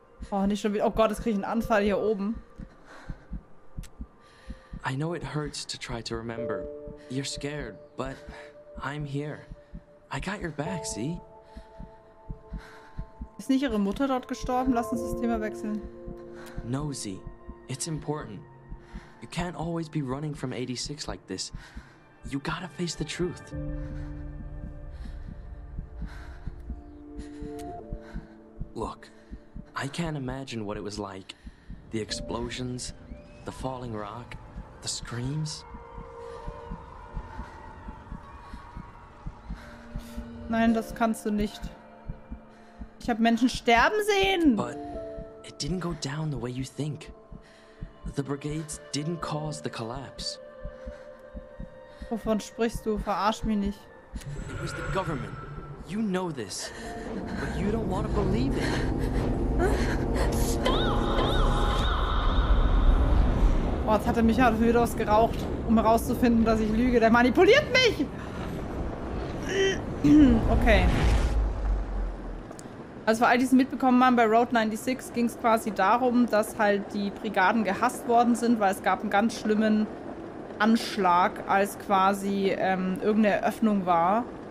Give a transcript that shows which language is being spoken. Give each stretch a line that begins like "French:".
German: Oh, nicht schon wieder. Oh Gott, jetzt kriege ich einen Anfall hier oben.
English: I know it hurts to try to remember. You're scared, but I'm here. I got your back, see?
German: Ist nicht ihre Mutter dort gestorben? Lass uns das Thema wechseln.
English: No, Z. It's important. You can't always be running from 86 like this. You gotta face the truth. Look, I can't imagine what it was like. The explosions, the falling rock, the screams.
German: Nein, das kannst du nicht. Ich habe Menschen sterben sehen.
English: But it didn't go down the way you think. The brigades didn't cause the collapse.
German: Wovon sprichst du? Verarsch mich nicht.
English: It was the government. You know this, but you don't want to believe it. Stop!
German: Oh, jetzt hat er mich auch wieder ausgeraucht, um herauszufinden, dass ich lüge. Der manipuliert mich! Okay. Also für all die, die es mitbekommen haben, bei Road 96 ging es quasi darum, dass halt die Brigaden gehasst worden sind, weil es gab einen ganz schlimmen Anschlag, als quasi irgendeine Eröffnung war.